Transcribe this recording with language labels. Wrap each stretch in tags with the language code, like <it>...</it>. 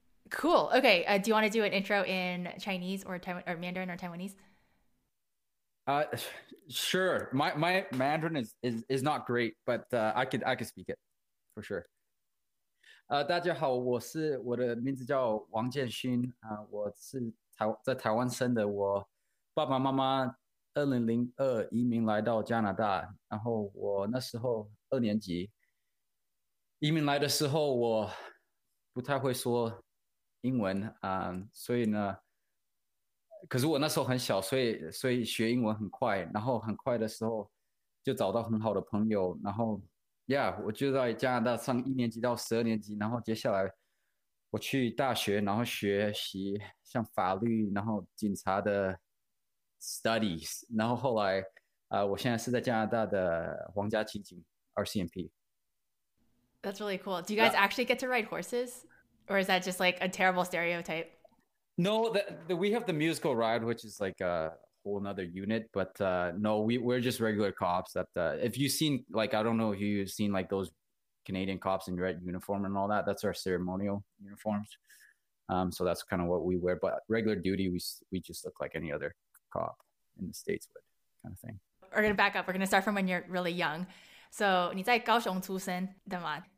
<en>Cool. Okay. Do you want to do an intro in Chinese or Mandarin or Taiwanese? Sure. My Mandarin is not great, but I could speak it for sure.</en> <zh>大家好，我的名字叫 Wang Jianxun. 我是在台湾生的，我爸爸妈妈 2002 移民来到加拿大，然后我那时候二年级移民来的时候，我不太会说 英文，所以呢，可是我那时候很小，所以学英文很快，然后很快的时候就找到很好的朋友，然后，我就在加拿大上一年级到十二年级，然后接下来我去大学，然后学习像法律，然后警察的 studies， 然后后来，我现在是在加拿大的皇家骑警 RCMP。</zh> <en>That's really cool. Do you guys actually get to ride horses? Or is that just like a terrible stereotype? No, we have the musical ride, which is like a whole nother unit. But no, we're just regular cops. If you've seen, like, I don't know if you've seen like those Canadian cops in red uniform and all that. That's our ceremonial uniforms. So that's kind of what we wear. But regular duty, we just look like any other cop in the States would, kind of thing. We're going to back up. We're going to start from when you're really young.</en> <zh>So 你在高雄出生的吗?</zh>